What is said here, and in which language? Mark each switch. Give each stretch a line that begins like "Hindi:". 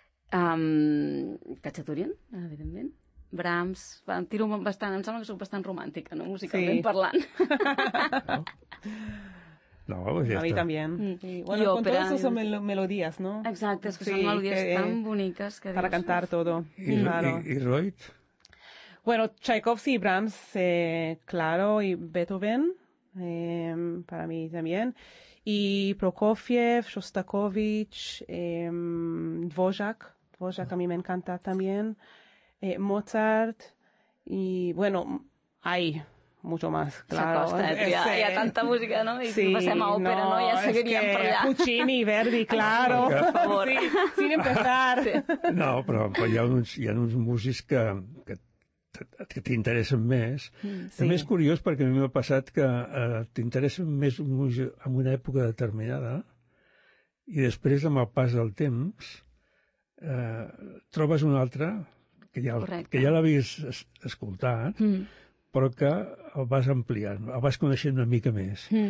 Catalan: Kachaturian, evidentment. Brahms, va, tiro bastant, em sembla que soc bastant romàntica, no? Musicalment sí. Parlant.
Spanish: No, pues ya
Catalan: a mi també.
Spanish: Mm. Bueno, con todas esas melodías, no?
Catalan: Exacte, és que sí, són melodies que, tan boniques. Que
Spanish: para cantar todo.
Catalan: I Reut?
Spanish: Bueno, Tchaikovsky y Brahms, claro, y Beethoven, para mí también. Y Prokofiev, Shostakovich, Dvořák a mí me encanta también. Mozart, y bueno, hay mucho más, claro. Hay tanta música, ¿no? Y sí, si pasemos a ópera, ¿no? Ya seguirían por allá. Puccini, Verdi, claro. Ay, por favor. Sí, sin empezar. Sí. No, pero hay unos músicos que
Catalan: t'interessen més. Sí. També és curiós perquè a mi m'ha passat que t'interessen més en una època determinada i després, amb el pas del temps, trobes una altra que ja l'havies escoltat, però que el vas ampliant, el vas coneixent una mica més.